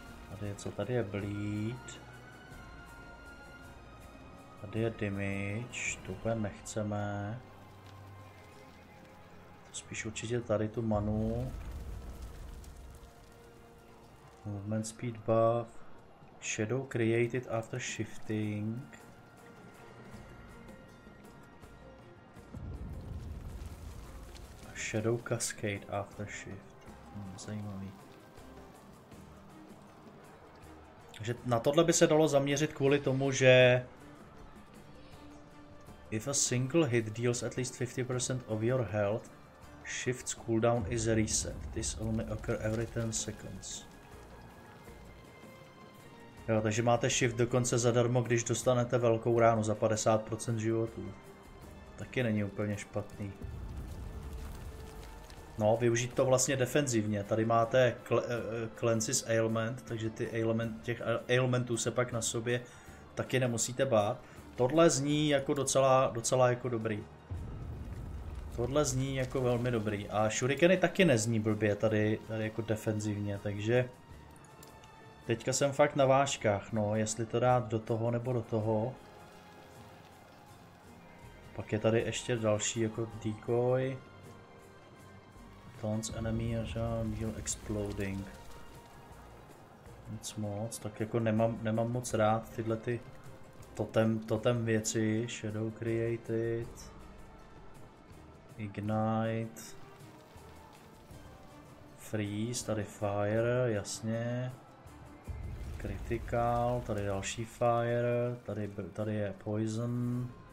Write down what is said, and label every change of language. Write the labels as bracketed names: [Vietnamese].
[Czech] Tady je co? Tady je bleed. Tady je damage, to úplně nechceme. To spíš určitě tady tu manu. [English] Movement speed buff. Shadow created after shifting. A shadow cascade after shift. [Czech] Zajímavý. Takže na tohle by se dalo zaměřit kvůli tomu, že [English] if a single hit deals at least 50% of your health, shift's cooldown is reset. This only occurs every 10 seconds. [Czech] Jo, takže máte shift dokonce zadarmo, když dostanete velkou ránu za 50% životů. Taky není úplně špatný. No, využít to vlastně defenzivně. Tady máte [English] cleanses ailment, [Czech] takže ty ailmentů se pak na sobě taky nemusíte bát. Tohle zní jako docela jako dobrý. Tohle zní jako velmi dobrý. A shurikeny taky nezní blbě tady jako defenzivně, takže... Teďka jsem fakt na váškách, no, jestli to dát do toho nebo do toho. Pak je tady ještě další jako decoy. [English] Taunts enemy a heal exploding. [Czech] Nic moc, tak jako nemám moc rád tyhle ty totem věci. [English] Shadow created. Ignite. [Czech] Freeze, tady fire, jasně. Critical, tady další fire, tady je poison.